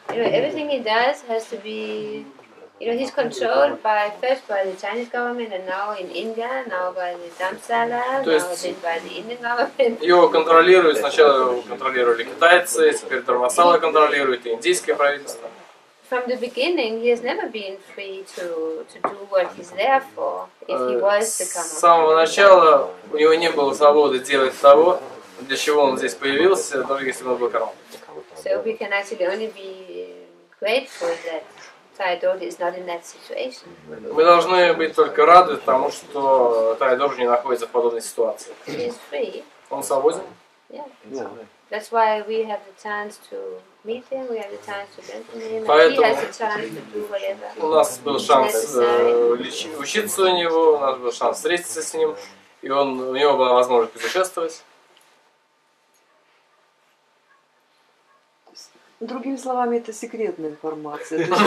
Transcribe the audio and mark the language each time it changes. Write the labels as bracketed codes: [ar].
[en] You know, everything he does has to be. You know, he's controlled by first by the Chinese government and now in India, now by the Dharamsala, now then by the Indian government. [ru] Его контролируют, сначала контролировали китайцы, теперь Дармасала контролирует, и индийское правительство. [en] From the beginning, he has never been free to do what he's there for, if he was to come up. [ru] С самого начала у него не было свободы делать того, для чего он здесь появился, даже если он был королем. [en] So we can actually only be grateful that Thai Dorje is not in that situation. [ru] Мы должны быть только рады тому, что Thai Dorje не находится в подобной ситуации. [en] He's free. [ru] Он свободен? [en] Yeah. That's why we have the chance to meet him, we have the chance to mention him, and he has a chance to do whatever. [ru] У нас был шанс учиться у него, у нас был шанс встретиться с ним, и у него была возможность путешествовать. Другими словами, это секретная информация.